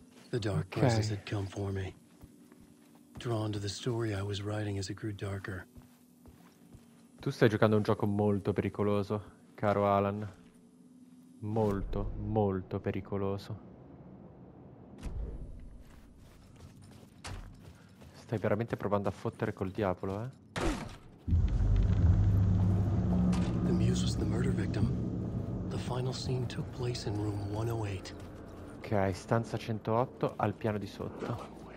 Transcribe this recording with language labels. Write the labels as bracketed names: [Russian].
[English] The dark forces had come for me. Drawn to the story I was writing as it grew darker. [Italian] Tu stai giocando un gioco molto pericoloso, caro Alan. Molto, molto pericoloso. Stai veramente provando a fottere col diavolo, eh? [English] The muse was the murder victim. The final scene took place in room 108. [Italian] Ok, stanza 108 al piano di sotto.